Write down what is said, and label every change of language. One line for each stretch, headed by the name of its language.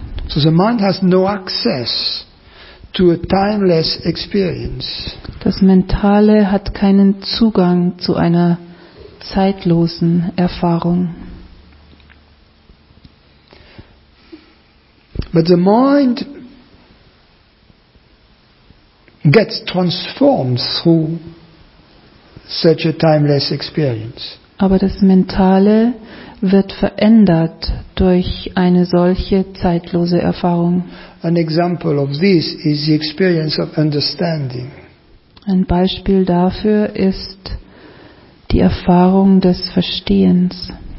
English: So the mind has no access to a timeless experience.
German: Das Mentale hat keinen Zugang zu einer zeitlosen Erfahrung.
English: But the mind gets transformed through such a timeless experience.
German: Aber das Mentale wird verändert durch eine solche zeitlose Erfahrung.
English: An example of this is the experience of understanding.
German: Ein Beispiel dafür ist die Erfahrung des Verstehens.